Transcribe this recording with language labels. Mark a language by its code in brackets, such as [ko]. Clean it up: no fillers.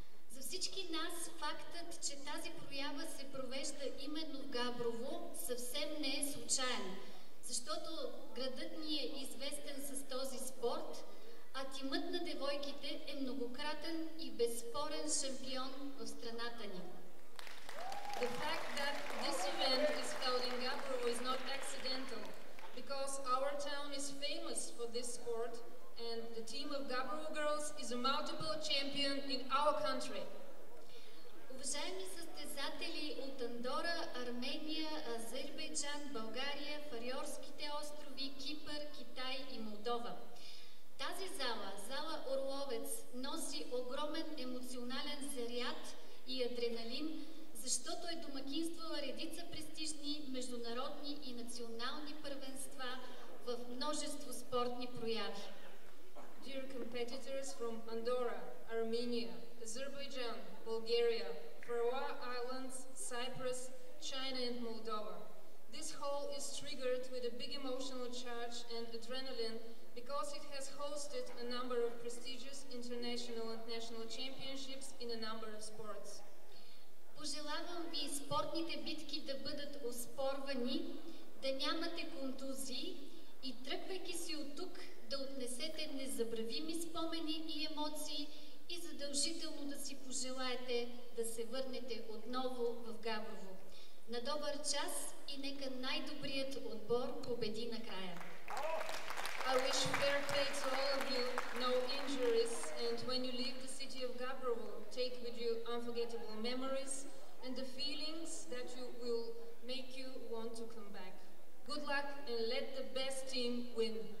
[bg] За всички нас фактът, че тази проява се провежда именно в Габрово, съвсем не е случайен. Защото градът ни е известен с този спорт, а тимът на девойките е многократен и безспорен шампион в страната ни. [en] The fact that this event is held in Gabrovo is not accidental, because our town is famous for this sport and the team of Gabrovo girls is a multiple champion in our country. [bg] Уважаеми състезатели от Андора, Армения, Азербайджан, България, Фарьорските острови, Кипър, Китай и Молдова. Тази зала, зала Орловец, носи огромен емоционален заряд и адреналин, защото е домакинствала редица престижни международни и национални първенства в множество спортни прояви. [en] Dear competitors from Andorra, Armenia, Azerbaijan, Bulgaria, Faroe Islands, Cyprus, China and Moldova. This hall is triggered with a big emotional charge and adrenaline because it has hosted a number of prestigious international and national championships in a number of sports. [bg] Пожелавам ви спортните битки да бъдат оспорвани, да нямате контузии и тръгвайки си от тук да отнесете незабравими спомени и емоции и задължително да си пожелаете да се върнете отново в Габрово. На добър час и нека най-добрият отбор победи накрая. [en] I wish fair play to all of you, no injuries, and when you leave the city of Gabrovo, take with you unforgettable memories and the feelings that you will make you want to come back. Good luck and let the best team win.